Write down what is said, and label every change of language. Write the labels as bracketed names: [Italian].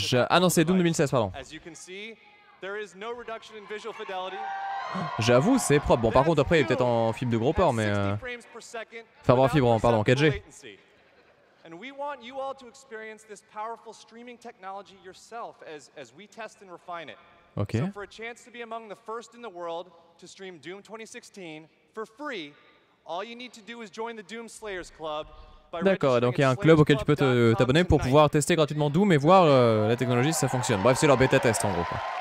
[French] Ah non, c'est Doom 2016, pardon. [English] There is no reduction in visual fidelity. [French] J'avoue, c'est propre. Bon, par contre, après, il est peut-être en fibre de gros port, mais... Fibre en 4G. [English] And we want you all to experience this powerful streaming technology yourself as we test and refine it. Okay. So for a chance to be among the first in the world to stream Doom 2016 for free, all you need to do is join the Doom Slayers Club. [French] D'accord, donc il y a un club auquel tu peux t'abonner pour pouvoir tester gratuitement Doom et voir la technologie si ça fonctionne. Bref, c'est leur bêta test en gros, quoi.